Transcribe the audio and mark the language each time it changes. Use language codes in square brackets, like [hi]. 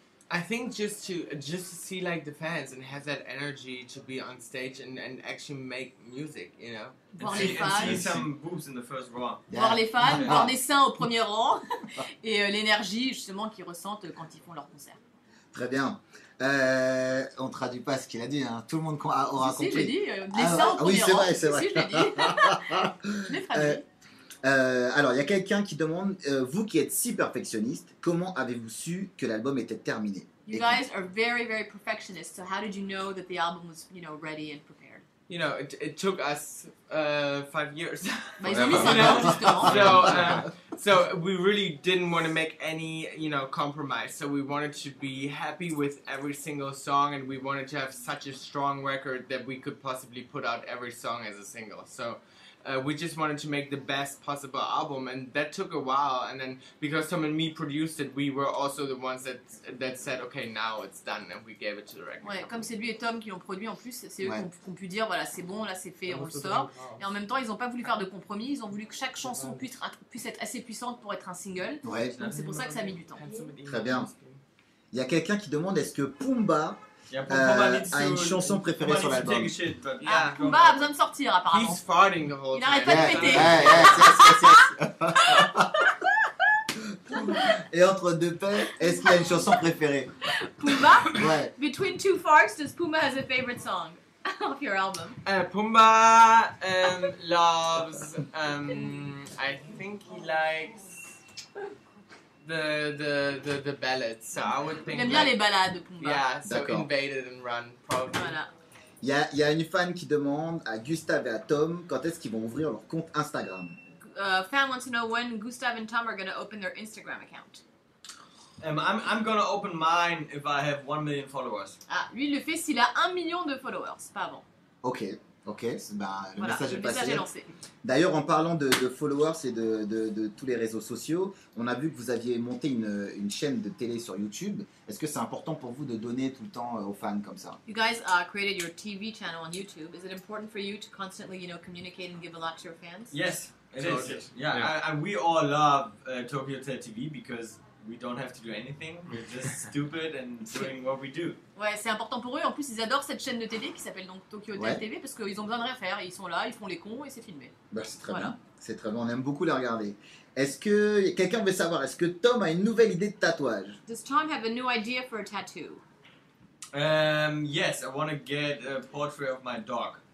[en] I think just to see like the fans and have that energy to be on stage and actually make music, you know. [fr] Voir les fans. [en] And see some boobs in the first row. [fr] Voir les fans, voir des seins au premier rang et l'énergie justement qu'ils ressentent quand ils font leur concert. Très bien. On ne traduit pas ce qu'il a dit, hein. Tout le monde aura compris. Si, je l'ai dit. Oui, c'est vrai, c'est vrai. Si, je l'ai dit. Je l'ai traduit. Alors, il y a quelqu'un qui demande, vous qui êtes si perfectionniste, comment avez-vous su que l'album était terminé? [en] You guys are very, very perfectionist, so how did you know that the album was, you know, ready and prepared? You know, it took us 5 years. Mais ils ont mis 5 ans, justement. So we really didn't want to make any, you know, compromise. So we wanted to be happy with every single song and we wanted to have such a strong record that we could possibly put out every song as a single. So we just wanted to make the best possible album and that took a while. And then because Tom and me produced it, we were also the ones that said, okay, now it's done and we gave it to the record. [fr] Ouais, comme c'est lui et Tom qui l'ont produit en plus, c'est eux qui ont pu dire, voilà, c'est bon, là c'est fait, on le sort. Et en même temps, ils n'ont pas voulu faire de compromis, ils ont voulu que chaque chanson puisse être assez puissante pour être un single. Ouais. Donc c'est pour ça que ça a mis du temps. Très bien. Il y a quelqu'un qui demande, est-ce que Pumba a une chanson préférée sur l'album. Pumba a besoin de sortir apparemment. [en] He's farting the whole [fr] il n'arrête pas de péter. [en] Yes. [fr] Et entre deux paix, est-ce qu'il y a une chanson préférée? Pumba? Ouais. [en] Between two farts, does Pumba have a favorite song of your album? Pumba loves. I think he likes the ballads, so I would think [fr] il aime bien les ballades de Pumba. [en] Yeah, so Invaded and Run, probably. [fr] Voilà. Il y a une fan qui demande à Gustav et à Tom quand est-ce qu'ils vont ouvrir leur compte Instagram. [en] Fan wants to know when Gustav and Tom are going to open their Instagram account. I'm going to open mine if I have 1 million followers. [fr] Ah, lui le fait s'il a 1 million de followers, pas avant. Ok, bah, voilà, le message est lancé. D'ailleurs, en parlant de followers et de tous les réseaux sociaux, on a vu que vous aviez monté une chaîne de télé sur YouTube. Est-ce que c'est important pour vous de donner tout le temps aux fans comme ça? [en] You guys created your TV channel on YouTube. Is it important for you to constantly, you know, communicate and give a lot to your fans? Yes, it is. Yeah. We all love Tokyo Hotel TV because we don't have to do anything. We're just stupid and doing what we do. [fr] Ouais, c'est important pour eux. En plus, ils adorent cette chaîne de télé qui s'appelle donc Tokyo Hotel TV parce qu'ils ont besoin de rien faire. Ils sont là, ils font les cons et c'est filmé. Bah, c'est très bien. C'est très bien. On aime beaucoup la regarder. Est-ce que quelqu'un veut savoir, est-ce que Tom a une nouvelle idée de tatouage? [en] Does Tom have a new idea for a tattoo? Yes, I want to get a portrait of my dog.